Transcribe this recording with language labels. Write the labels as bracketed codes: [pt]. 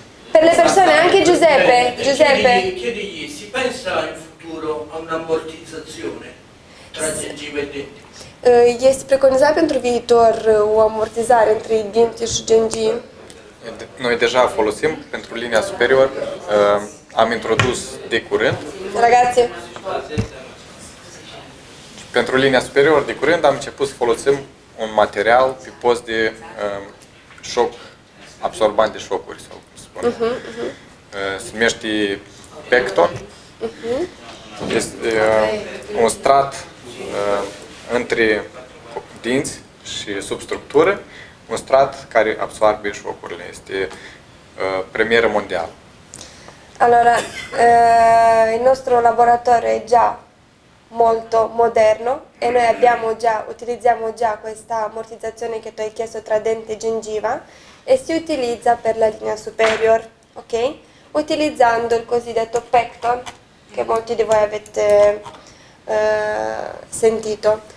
[it] Per le persone, anche Giuseppe. Chiedigli, si pensa in futuro a un'ammortizzazione tra gengiva e denti? [ro] Este preconizat pentru viitor o amortizare între dinți și gengii? Noi deja folosim pentru linia superior, am introdus de curând. [it] Ragazzi! [ro] Pentru linia superior de curând am început să folosim un material pe post de șoc, absorbant de șocuri, sau cum se spune. Se numește Pecton. Este un strat între dinți și substructură, un strat care absorbe șocurile. Este premieră mondială. [it] Allora, il nostro laboratorio è già molto moderno e noi utilizziamo già questa ammortizzazione che tu hai chiesto tra dente e gengiva e si utilizza per la linea superior, ok? Utilizzando il cosiddetto Pecton che molti di voi avete sentito.